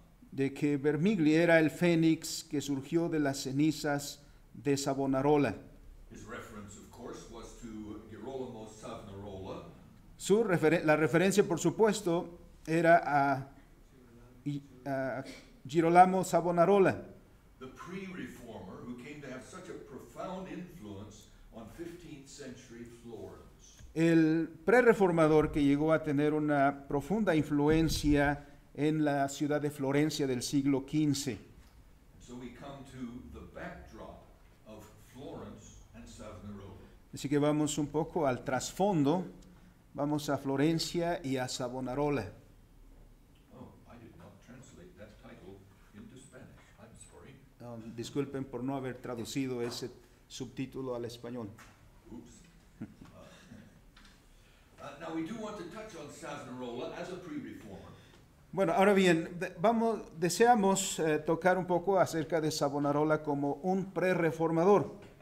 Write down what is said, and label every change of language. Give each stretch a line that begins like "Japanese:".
Spanish: de que Vermigli era el fénix que surgió de las cenizas de Savonarola.
English: His reference, of course, was to Girolamo Savonarola.
Spanish: La referencia, por supuesto, era a Girolamo Savonarola.
English: The pre-reformer who came to have such a profound influence on 15th century Florence.
Spanish: El pre-reformador que llegó a tener una profunda influencia en la ciudad de Florencia del siglo XV.
English: So we come to the backdrop of Florence and Savonarola.
Spanish: Así que vamos un poco al trasfondo. Vamos a Florencia y a Savonarola.
English: Oh, I did not translate that title into Spanish. I'm sorry.
Spanish: Disculpen por no haber traducido ese subtítulo al español.
English: Oops. Now we do want to touch on Savonarola as a pre-reformer.
Spanish: Bueno, ahora bien, deseamos tocar un poco acerca de Savonarola como un pre-reformador.